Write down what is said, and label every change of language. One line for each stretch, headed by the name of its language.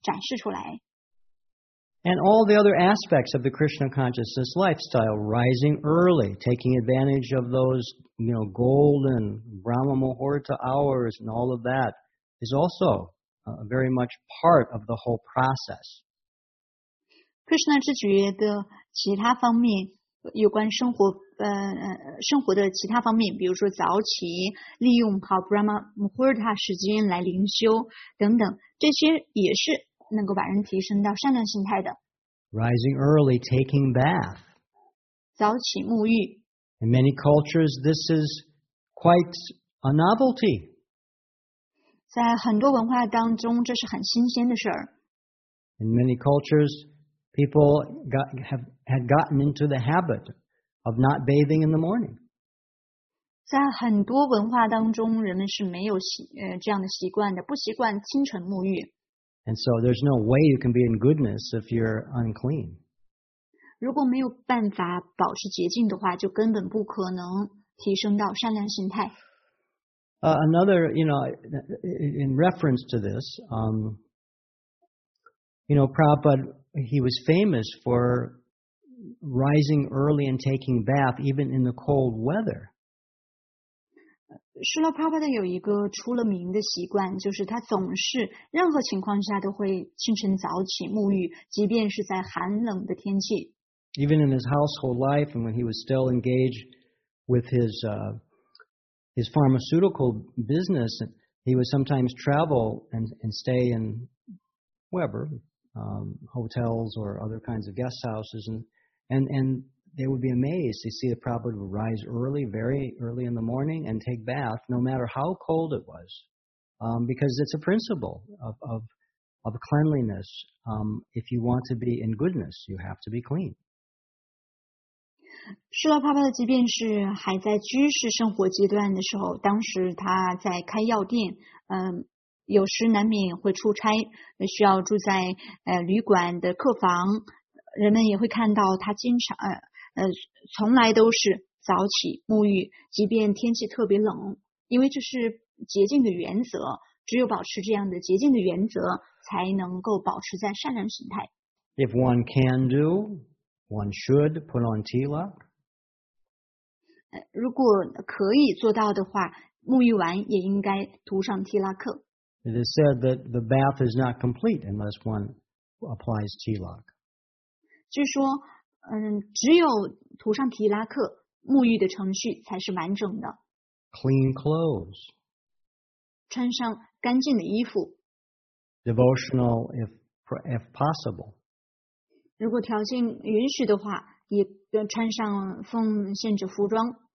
Chinese: 所以当我们净化知觉就好比像擦拭窗户一样，当知觉得到净化之后，那知觉我们知道是灵魂的特征，当知觉得到净化以后，这灵魂的本性就能够展示出来。
English: And all the other aspects of the Krishna consciousness lifestyle, rising early, taking advantage of those, you know, golden Brahma Muhurta hours and all of that, is also very much part of the whole process.
Chinese: Krishna 之觉的其他方面，有关生活，生活的其他方面，比如说早起，利用好 Brahma Muhurta 时间来灵修等等，这些也是能够把人提升到善良心态的。
English: Rising early, taking bath.
Chinese: 早起沐浴。
English: In many cultures, this is quite a novelty.
Chinese: 在很多文化当中，这是很新鲜的事。
English: In many cultures, people had gotten into the habit of not bathing in the morning.
Chinese: 在很多文化当中，人们是没有这样的习惯的，不习惯清晨沐浴。
English: And so there's no way you can be in goodness if you're unclean.
Chinese: 如果没有办法保持洁净的话，就根本不可能提升到善良心态。
English: Another, you know, in reference to this, you know, Prabhupada, he was famous for rising early and taking bath, even in the cold weather.
Chinese: Srila Prabhupada 有一个出了名的习惯，就是他总是任何情况下都会清晨早起沐浴，即便是在寒冷的天气。
English: Even in his household life, and when he was still engaged with his pharmaceutical business, he would sometimes travel and stay in wherever, hotels or other kinds of guest houses, and they would be amazed to see the Prabhupada would rise early, very early in the morning, and take bath, no matter how cold it was, because it's a principle of cleanliness. If you want to be in goodness, you have to be clean.
Chinese: 施拉帕帕的即便是还在居士生活阶段的时候，当时他在开药店，有时难免会出差，需要住在旅馆的客房，人们也会看到他经常从来都是早起沐浴，即便天气特别冷，因为这是洁净的原则，只有保持这样的洁净的原则，才能够保持在善良心态。
English: If one can do,One should put on tila.
Chinese: 如果可以做到的话，沐浴完也应该涂上提拉克。
English: It is said that the bath is not complete unless one applies tila.
Chinese: 据说，只有涂上提拉克，沐浴的程序才是完整的。
English: Clean clothes.
Chinese: 穿上干净的衣服。
English: Devotional, if possible.
Chinese: 如果条件允许的话，也穿上奉献者服装。